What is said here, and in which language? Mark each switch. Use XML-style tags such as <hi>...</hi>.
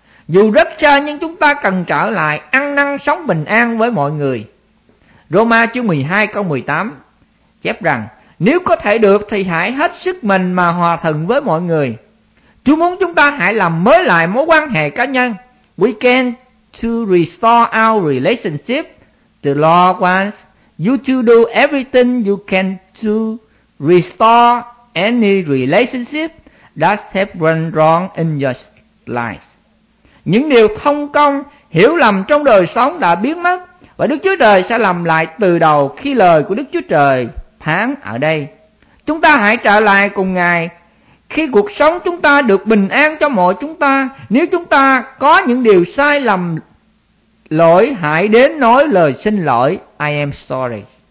<vi>Dù rất xa nhưng chúng ta cần trở lại ăn năn sống bình an với mọi người. Roma chương 12 câu 18 chép rằng, nếu có thể được thì hãy hết sức mình mà hòa thuận với mọi người. Chúa muốn chúng ta hãy làm mới lại mối quan hệ cá nhân.</vi> <en>We can to restore our relationship. The Lord wants you to do everything you can to restore any relationship that has run wrong in your</en> <vi>lại. Những điều không công, hiểu lầm trong đời sống đã biến mất, và Đức Chúa Trời sẽ làm lại từ đầu khi lời của Đức Chúa Trời phán ở đây. Chúng ta hãy trở lại cùng Ngài. Khi cuộc sống chúng ta được bình an cho mọi chúng ta, nếu chúng ta có những điều sai lầm lỗi, hãy đến nói lời xin lỗi.</vi> <en>I am sorry.</en>